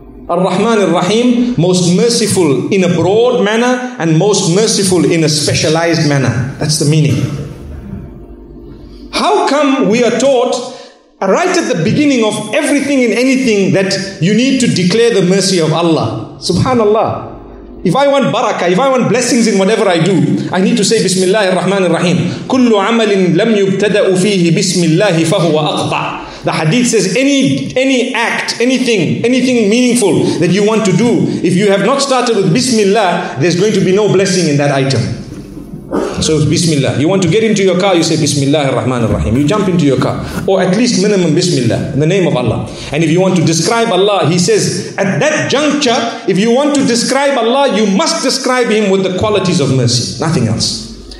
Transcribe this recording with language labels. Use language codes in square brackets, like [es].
[en] Ar-Rahman Ar-Rahim, most merciful in a broad manner and most merciful in a specialized manner. That's the meaning. How come we are taught right at the beginning of everything and anything that you need to declare the mercy of Allah? Subhanallah. If I want barakah, if I want blessings in whatever I do, I need to say [ar] Bismillah ar-Rahman ar-Rahim. كل عمل لم يبتدأ فيه بسم الله فهو أقطع. [en] The hadith says any act, anything meaningful that you want to do, if you have not started with Bismillah, there's going to be no blessing in that item. So Bismillah. You want to get into your car, you say [ar] Bismillah ar-Rahman ar-Rahim. [en] You jump into your car. Or at least minimum Bismillah, in the name of Allah. And if you want to describe Allah, he says, at that juncture, if you want to describe Allah, you must describe him with the qualities of mercy. Nothing else.